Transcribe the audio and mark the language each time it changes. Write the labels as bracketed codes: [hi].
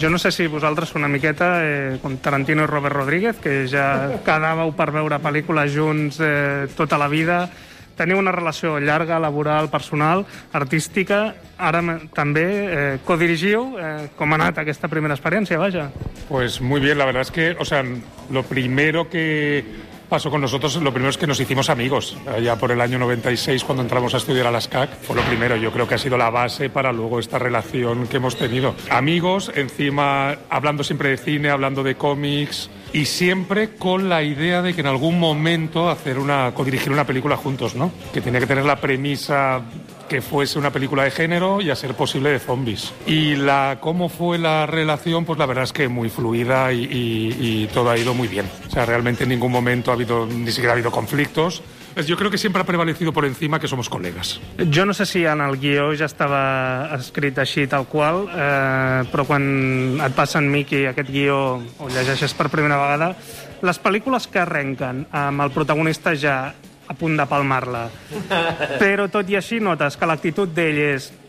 [ca] Jo no sé si vosaltres una miqueta, com Tarantino i Robert Rodríguez, que ja quedàveu per veure pel·lícules junts tota la vida... Teniu una relació llarga, laboral, personal, artística. Ara també codirigiu. Com ha anat aquesta primera experiència, vaja? [es] Pues muy bien, la verdad es que, o sea, lo primero que pasó con nosotros, lo primero es que nos hicimos amigos. Allá por el año 96, cuando entramos a estudiar a las CAC, fue lo primero. Yo creo que ha sido la base para luego esta relación que hemos tenido. Amigos, encima, hablando siempre de cine, hablando de cómics... Y siempre con la idea de que en algún momento hacer una codirigir una película juntos, ¿no? Que tenía que tener la premisa que fuese una película de género y a ser posible de zombies. Y cómo fue la relación, pues la verdad es que muy fluida y todo ha ido muy bien. O sea, realmente en ningún momento ha habido conflictos. [ca] Jo crec que sempre ha [es] prevalecido por encima que somos colegas. [ca] Jo no sé si en el guió ja estava escrit així tal qual, però quan et passa en Miqui aquest guió o llegeixes per primera vegada, les pel·lícules que arrenquen amb el protagonista ja a punt de palmar-la, però tot i així notes que l'actitud d'ell és...